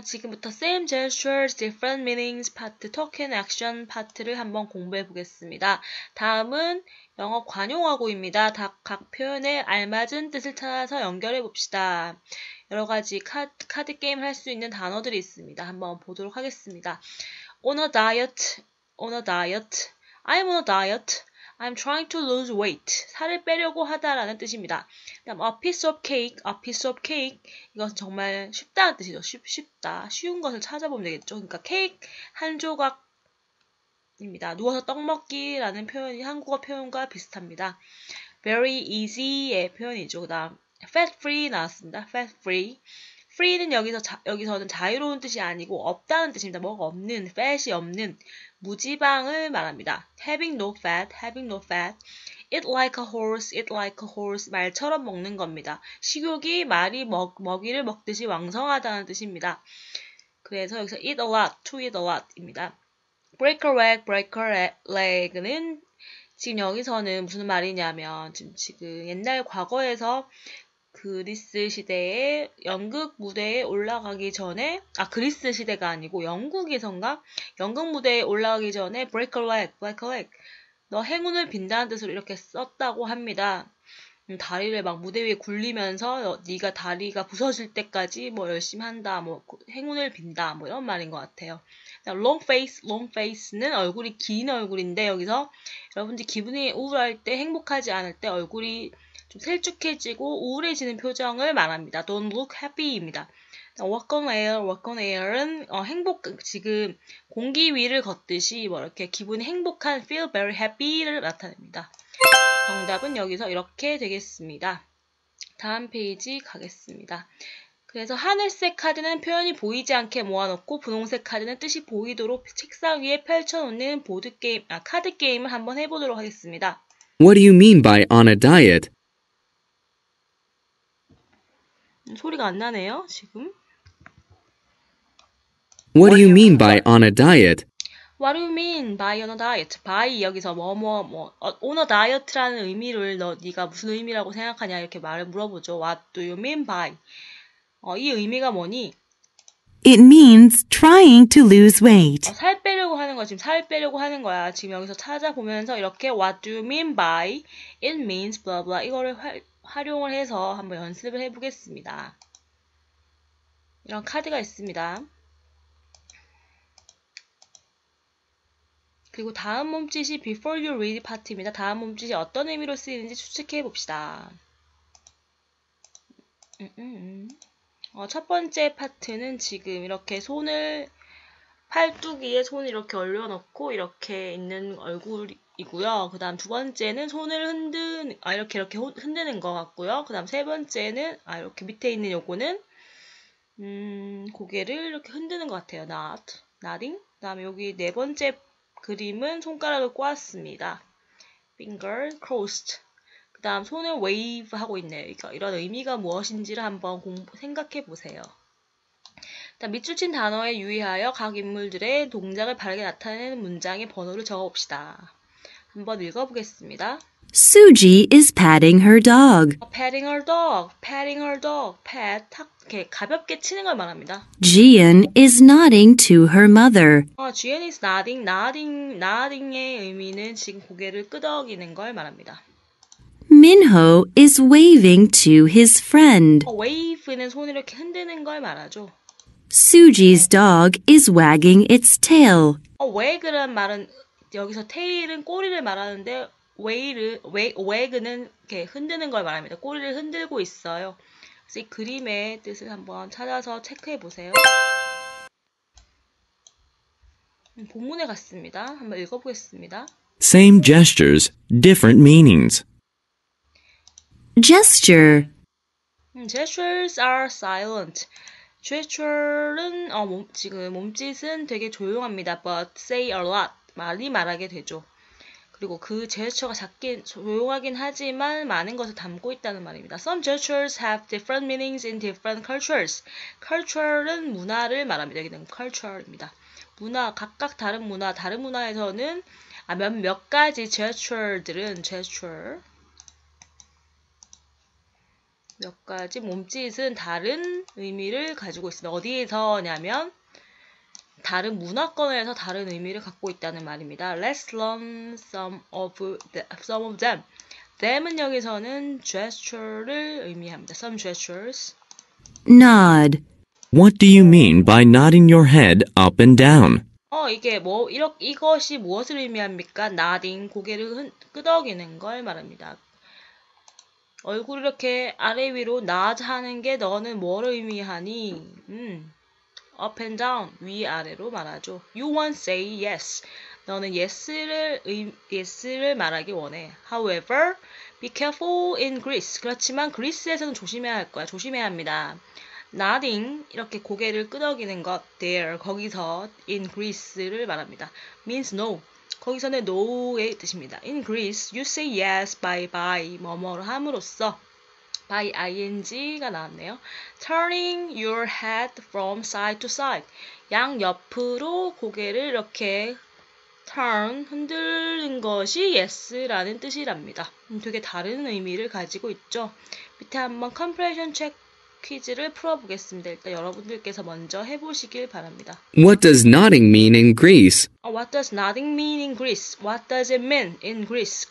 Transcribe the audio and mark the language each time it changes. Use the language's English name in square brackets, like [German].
[Korean] 지금부터 [English] same gestures, different meanings, part, talk and action [Korean] 파트를 한번 공부해 보겠습니다. 다음은 영어 관용어구입니다. 각 표현에 알맞은 뜻을 찾아서 연결해 봅시다. 여러 가지 카드 게임 할수 있는 단어들이 있습니다. 한번 보도록 하겠습니다. [English] On a diet, on a diet. I'm on a diet. I'm trying to lose weight. [Korean] 살을 빼려고 하다라는 뜻입니다. 그다음 [English] a piece of cake, a piece of cake. [Korean] 이것은 정말 쉽다는 뜻이죠. 쉽다. 쉬운 것을 찾아보면 되겠죠. 그러니까 케이크 한 조각입니다. 누워서 떡 먹기라는 표현이 한국어 표현과 비슷합니다. [English] Very easy [Korean] 의 표현이죠. 그다음 [English] fat free [Korean] 나왔습니다. [English] fat free. [Korean] free는 여기서는 자유로운 뜻이 아니고 없다는 뜻입니다. 뭐가 없는, fat이 없는, 무지방을 말합니다. [English] having no fat, having no fat. eat like a horse, eat like a horse. [Korean] 말처럼 먹는 겁니다. 식욕이 말이 먹이를 먹듯이 왕성하다는 뜻입니다. 그래서 여기서 [English] eat a lot, to eat a lot입니다. [Korean] break a leg, break a leg는 지금 여기서는 무슨 말이냐면 지금 옛날 과거에서 그리스 시대에 연극 무대에 올라가기 전에, 아, 그리스 시대가 아니고 영국에선가? 연극 무대에 올라가기 전에 [English] break a leg, break a leg. [Korean] 너 행운을 빈다는 뜻으로 이렇게 썼다고 합니다. 다리를 막 무대 위에 굴리면서 네가 다리가 부서질 때까지 뭐 열심히 한다, 뭐 행운을 빈다, 뭐 이런 말인 것 같아요. long face, long face는 얼굴이 긴 얼굴인데 여기서 여러분들 기분이 우울할 때, 행복하지 않을 때 얼굴이 좀 셀쭉해지고 우울해지는 표정을 말합니다. [English] Don't look happy입니다. [Korean] Walk on air은 지금 공기 위를 걷듯이 뭐 이렇게 기분이 행복한 [English] feel very happy [Korean] 를 나타냅니다. 정답은 여기서 이렇게 되겠습니다. 다음 페이지 가겠습니다. 그래서 하늘색 카드는 표현이 보이지 않게 모아놓고 분홍색 카드는 뜻이 보이도록 책상 위에 펼쳐놓는 카드 게임을 한번 해보도록 하겠습니다. [English] What do you mean by on a diet? [Korean] 소리가 안 나네요, 지금. [English] What do you mean by on a diet? What do you mean by on a diet? [Korean] By 여기서 [English] on a diet [Korean] 라는 의미를 네가 무슨 의미라고 생각하냐 이렇게 말을 물어보죠. [English] What do you mean by? [Korean] 이 의미가 뭐니? [English] It means trying to lose weight. [Korean] 살 빼려고 하는 거 지금 살 빼려고 하는 거야. 지금 여기서 찾아보면서 이렇게 [English] What do you mean by? It means blah blah [Korean] 이거를 활용을 해서 한번 연습을 해보겠습니다. 이런 카드가 있습니다. 그리고 다음 몸짓이 [English] before you read [Korean] 파트입니다. 다음 몸짓이 어떤 의미로 쓰이는지 추측해 봅시다. 첫 번째 파트는 지금 이렇게 팔뚝 위에 손을 이렇게 올려놓고 이렇게 있는 얼굴이 이고요. 그다음 두 번째는 손을 흔든 아 이렇게 흔드는 거 같고요. 그다음 세 번째는 아 이렇게 밑에 있는 요거는 고개를 이렇게 흔드는 거 같아요. [English] Not, nodding. [Korean] 그다음 여기 네 번째 그림은 손가락을 꼬았습니다. [English] Finger crossed. [Korean] 그다음 손을 wave 하고 있네요. 이런 의미가 무엇인지를 한번 생각해 보세요. 자, 밑줄 친 단어에 유의하여 각 인물들의 동작을 바르게 나타내는 문장의 번호를 적어봅시다. 한번 읽어보겠습니다. [English] Suji is patting her dog. Patting her dog, patting her dog, pat. [Korean] 이렇게 가볍게 치는 걸 말합니다. [English] Jian is nodding to her mother. Jian is nodding, nodding, [Korean] nodding의 의미는 지금 고개를 끄덕이는 걸 말합니다. [English] Minho is waving to his friend. [Korean] Wave는 손을 이렇게 흔드는 걸 말하죠. [English] Suji's dog is wagging its tail. [Korean] Wag란 말은 여기서 테일은 꼬리를 말하는데 웨그는 이렇게 흔드는 걸 말합니다. 꼬리를 흔들고 있어요. 그래서 이 그림의 뜻을 한번 찾아서 체크해 보세요. 본문에 갔습니다. 한번 읽어보겠습니다. [English] Same gestures, different meanings. Gesture. Gestures are silent. [Korean] Gesture는 지금 몸짓은 되게 조용합니다. [English] But say a lot. [Korean] 많이 말하게 되죠. 그리고 그 제스처가 작긴 조용하긴 하지만 많은 것을 담고 있다는 말입니다. [English] Some gestures have different meanings in different cultures. [Korean] Culture는 문화를 말합니다. 여기는 culture입니다. 문화 각각 다른 문화에서는 몇 가지 gesture들은 gesture 몇 가지 몸짓은 다른 의미를 가지고 있습니다. 어디에서냐면 다른 문화권에서 다른 의미를 갖고 있다는 말입니다. [English] Let's learn some of them. [Korean] them은 여기서는 gesture를 의미합니다. [English] Some gestures. Nod. What do you mean by nodding your head up and down? [Korean] 이게 뭐 이렇게 이것이 무엇을 의미합니까? Nodding, 고개를 끄덕이는 걸 말합니다. 얼굴을 이렇게 아래 위로 nod 하는 게 너는 뭘 의미하니? [English] Up and down, [Korean] 위아래로 말하죠. [English] You won't say yes. [Korean] 너는 yes를 말하기 원해. [English] However, be careful in Greece. [Korean] 그렇지만 그리스에서는 조심해야 할 거야. 조심해야 합니다. Nodding, 이렇게 고개를 끄덕이는 것, there, 거기서, in Greece를 말합니다. [English] Means no. [Korean] 거기서는 no의 뜻입니다. [English] In Greece, you say yes by [Korean] 뭐뭐를 함으로써. by ing가 나왔네요. [English] Turning your head from side to side. [Korean] 양옆으로 고개를 이렇게 turn, 흔드는 것이 yes라는 뜻이랍니다. 되게 다른 의미를 가지고 있죠. 밑에 한번 컴프레션 체크 퀴즈를 풀어보겠습니다. 일단 여러분들께서 먼저 해보시길 바랍니다. [English] What does nodding mean in Greece? What does nodding mean in Greece? What does it mean in Greece?